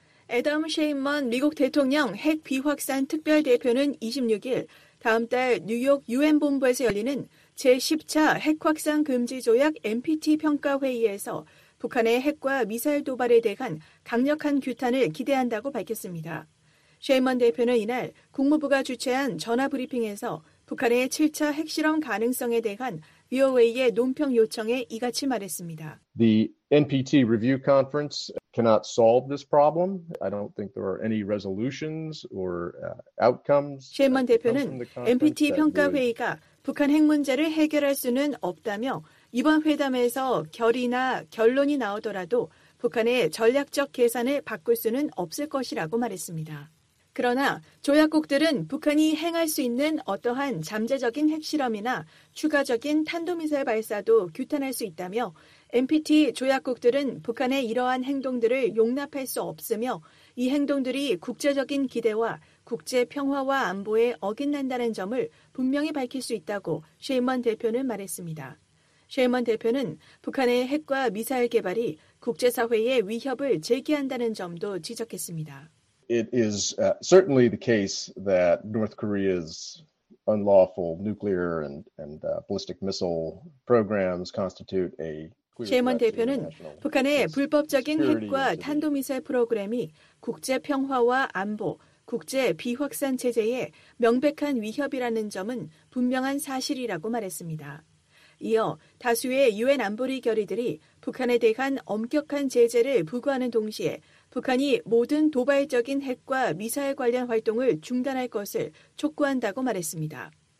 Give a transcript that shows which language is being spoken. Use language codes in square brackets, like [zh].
[ko] 애덤 셰인먼 미국 대통령 핵비확산 특별대표는 26일 다음 달 뉴욕 UN 본부에서 열리는 제10차 핵확산 금지조약 NPT 평가회의에서 북한의 핵과 미사일 도발에 대한 강력한 규탄을 기대한다고 밝혔습니다. 셰인먼 대표는 이날 국무부가 주최한 전화 브리핑에서 북한의 7차 핵실험 가능성에 대한 VOA의 논평 요청에 이같이 말했습니다. [en] The NPT review conference cannot solve this problem. I don't think there are any resolutions or outcomes. [ko] 셰인먼 대표는 NPT 평가 회의가 북한 핵 문제를 해결할 수는 없다며 이번 회담에서 결의나 결론이 나오더라도 북한의 전략적 계산을 바꿀 수는 없을 것이라고 말했습니다. 그러나 조약국들은 북한이 행할 수 있는 어떠한 잠재적인 핵실험이나 추가적인 탄도미사일 발사도 규탄할 수 있다며 NPT 조약국들은 북한의 이러한 행동들을 용납할 수 없으며 이 행동들이 국제적인 기대와 국제 평화와 안보에 어긋난다는 점을 분명히 밝힐 수 있다고 셰인먼 대표는 말했습니다. 셰인먼 대표는 북한의 핵과 미사일 개발이 국제사회의 위협을 제기한다는 점도 지적했습니다. [en] It is certainly the case that North Korea's unlawful nuclear and ballistic missile programs constitute a [ko] 셰인먼 대표는 북한의 불법적인 핵과 탄도미사일 프로그램이 국제 평화와 안보, 국제 비확산 체제에 명백한 위협이라는 점은 분명한 사실이라고 말했습니다. 이어 다수의 유엔 안보리 결의들이 북한에 대한 엄격한 제재를 부과하는 동시에 북한이 모든 도발적인 핵과 미사일 관련 활동을 중단할 것을 촉구한다고 말했습니다.